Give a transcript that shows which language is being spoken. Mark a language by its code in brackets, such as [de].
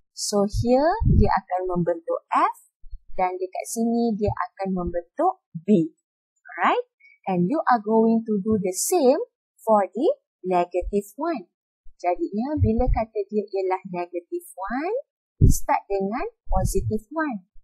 [ms] So here dia akan membentuk F dan dekat sini dia akan membentuk B. [en] Alright, and you are going to do the same for the negative 1. [ms] Jadinya bila kata dia ialah negative 1, start dengan positive 1.